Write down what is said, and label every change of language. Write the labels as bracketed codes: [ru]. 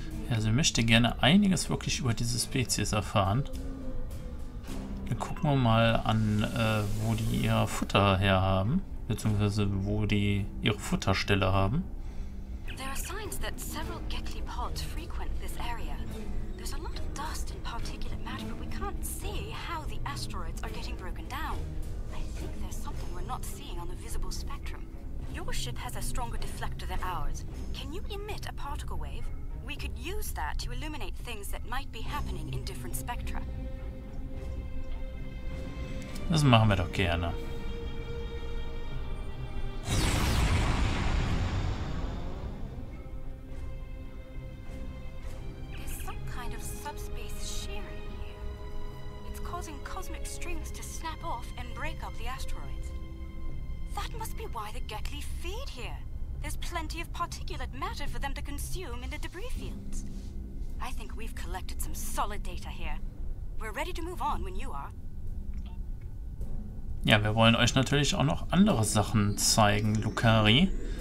[de] Also ich möchte gerne einiges wirklich über diese Spezies erfahren. Dann gucken wir mal an, wo die ihr Futter herhaben, beziehungsweise wo die ihre Futterstelle haben. [en] There are signs that several Gekli pods frequent this area. There's a lot of dust and particulate matter, but we can't see how the asteroids are getting broken down. I think there's something we're not seeing on the visible spectrum. Your ship has a stronger deflector than ours. Can you emit a particle wave? We could use that to illuminate things that might be happening in different spectra. [de] Das machen wir doch gerne. [en] There's some kind of subspace shearing here. It's causing cosmic strings to snap off and break up the asteroids. That must be why the Gekli feed here. There's plenty of particulate matter for them to consume in the debris fields. I think we've collected some solid data here. We're ready to move on when you are. [de] Ja, wir wollen euch natürlich auch noch andere Sachen zeigen, Lucari.